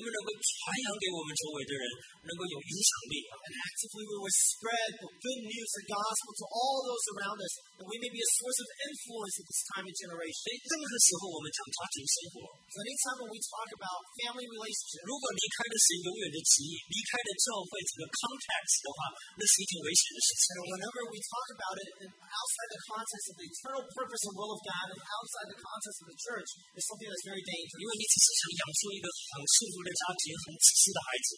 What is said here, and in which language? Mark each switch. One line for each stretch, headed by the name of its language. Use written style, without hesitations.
Chinese: 然后在肢体上面，我们能够把神的爱、神的救恩、神的恩典，我们能够传扬给我们周围的人，能够有影响力。
English: And actively we will spread the good news, the gospel to all those around us, that we may be a source of influence in this time and generation.
Chinese: 所以任何时候我们讲家庭生活。
English: So anytime when we talk about family relationships,
Chinese: 如果离开了神永远的旨意，离开了教会这个 context 的话，那是一件危险的事情。
English: And whenever we talk about it outside the context of the eternal purpose and will of God, and outside the context of the church, it's something that's very dangerous.
Chinese: 因为你只是想养出一个很幸福的家庭，很自私的孩子。